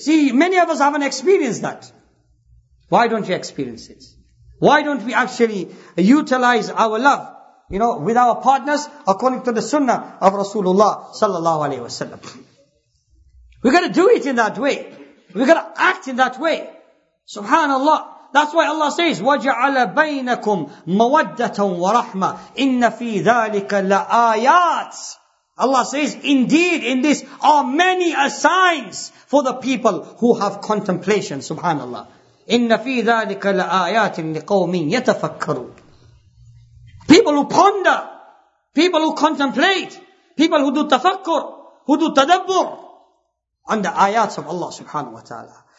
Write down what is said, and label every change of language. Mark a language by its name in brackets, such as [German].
[English] See, many of us haven't experienced that. Why don't you experience it? Why don't we actually utilize our love, you know, with our partners according to the sunnah of Rasulullah sallallahu alaihi wasallam? We gotta do it in that way. We gotta act in that way. Subhanallah. That's why Allah says, [Arabic] وَجَعَلَ بَيْنَكُمْ مَوَدَّةً وَرَحْمَةً إِنَّ فِي ذَلِكَ لَآيَاتٍ. [English] Allah says, indeed, in this are many signs for the people who have contemplation. [Arabic] Subhanallah. إِنَّ فِي ذَٰلِكَ لَآيَاتٍ لِقَوْمٍ يَتَفَكَّرُونَ. [English] People who ponder, people who contemplate, people who do tafakkur, who do tadabbur, on the ayats of Allah subhanahu wa ta'ala.